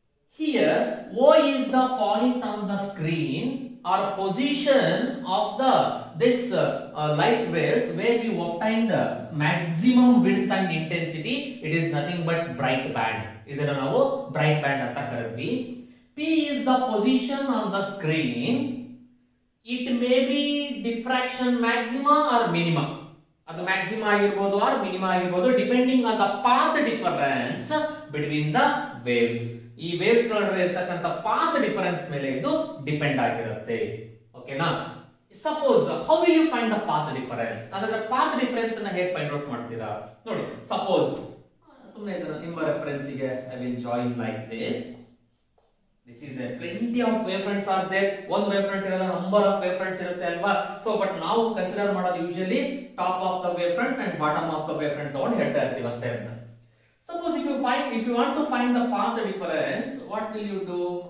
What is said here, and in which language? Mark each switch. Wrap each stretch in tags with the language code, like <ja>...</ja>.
<en>Here, O is the point on the screen or position of this light waves where you obtain the maximum width and intensity. It is nothing but bright band.</en> <kn>Idana navu bright band anta karuthivi.</kn> <en>P is the position on the screen. It may be diffraction maxima or minima.</en> <kn>ಅದು ಮ್ಯಾಕ್ಸಿಮ ಆಗಿರ್ಬೋದು R minima ಆಗಿರ್ಬೋದು,</kn> <en>Depending on the path difference between the waves.</en> <kn>ಈ waves ನಡುವೆ ಇರತಕ್ಕಂತ path difference ಮೇಲೆ ಇದು depend ಆಗಿರುತ್ತೆ. ಓಕೆನಾ?</kn> <en>suppose how will you find the path difference,</en> <kn>ಅದರ ಪಾತ್ ಡಿಫರೆನ್ಸ್ ಅನ್ನ ಹೇಗೆ ಫೈಂಡ್ ಔಟ್ ಮಾಡ್ತೀರಾ ನೋಡಿ.</kn> <en>suppose</en> <kn>ಸುಮ್ಮನೆ ಇದನ್ನ ನಿಮ್ಮ reference</kn> <en>I will join like this. This is a plenty of wavefronts are there.</en> <kn>One wavefront irala, number of wavefronts irutte alva.</kn> <en>So but now consider madod usually top of the wavefront and bottom of the wavefront</en> <kn>on helta irthivi aste irana.</kn> <en>Suppose if you find, if you want to find the path difference, what will you do?</en>